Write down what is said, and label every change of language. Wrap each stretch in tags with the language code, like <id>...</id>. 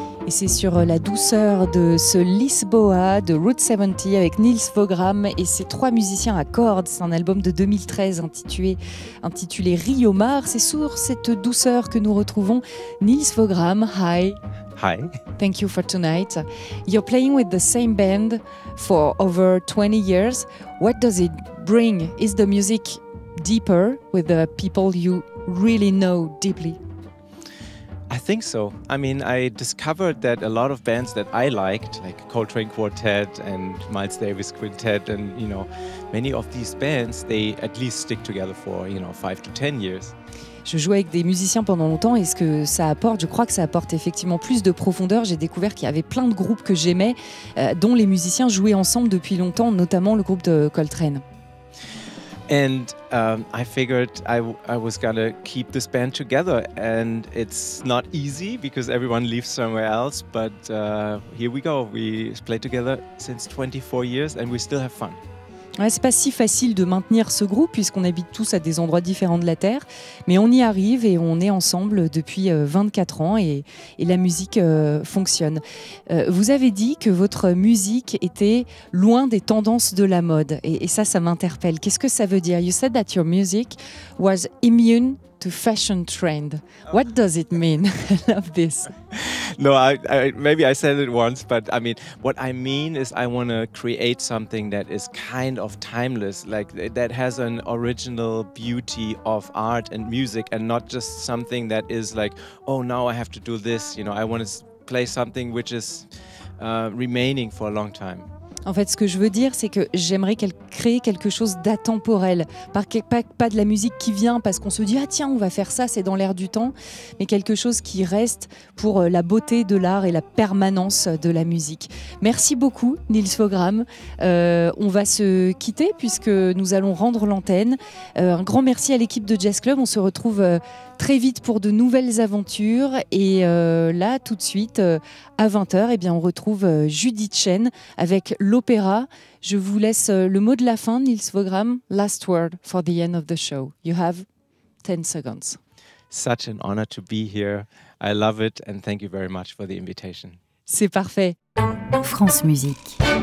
<fr>C'est sur la douceur de ce Lisboa de Route 70 avec Nils Vågram et ses trois musiciens à cordes. C'est un album de 2013 intitulé Rio Mar. C'est sur cette douceur que nous retrouvons Nils Vågram.</fr> <en>Hi. Hi. Thank you for tonight. You're playing with the same band for over 20 years. What does it bring? Is the music deeper with the people you really know deeply? I think so. I mean, I discovered that a lot of bands that I liked, like Coltrane Quartet and Miles Davis Quintet, and you know, many of these bands, they at least stick together for, you know, 5 to 10 years.</en> <fr>Je jouais avec des musiciens pendant longtemps et ce que ça apporte, je crois que ça apporte effectivement plus de profondeur. J'ai découvert qu'il y avait plein de groupes que j'aimais, dont les musiciens jouaient ensemble depuis longtemps, notamment le groupe de Coltrane.</fr> <en>And I figured I was gonna keep this band together, and it's not easy because everyone leaves somewhere else, but here we go. We play together since 24 years and we still have fun.</en> <fr>Ouais, c'est pas si facile de maintenir ce groupe puisqu'on habite tous à des endroits différents de la Terre, mais on y arrive et on est ensemble depuis 24 ans et la musique fonctionne. Vous avez dit que votre musique était loin des tendances de la mode et ça m'interpelle. Qu'est-ce que ça veut dire?</fr> <en>You said that your music was immune to fashion trend. What does it mean? I love this. No, maybe I said it once, but I mean, what I mean is I want to create something that is kind of timeless, like that has an original beauty of art and music and not just something that is like, oh, now I have to do this. You know, I want to play something which is remaining for a long time.</en> <fr>En fait, ce que je veux dire, c'est que j'aimerais créer quelque chose d'atemporel. Pas de la musique qui vient parce qu'on se dit « Ah tiens, on va faire ça, c'est dans l'air du temps », mais quelque chose qui reste pour la beauté de l'art et la permanence de la musique. Merci beaucoup, Nils Fogram. On va se quitter puisque nous allons rendre l'antenne. Un grand merci à l'équipe de Jazz Club. On se retrouve très vite pour de nouvelles aventures. Et là, tout de suite, à 20h, eh bien, on retrouve Judith Chen avec l'opéra. Je vous laisse le mot de la fin, Nils Fogram.</fr> <en>Last word for the end of the show. You have 10 seconds. Such an honor to be here. I love it and thank you very much for the invitation.</en> <fr>C'est parfait. France Musique.</fr>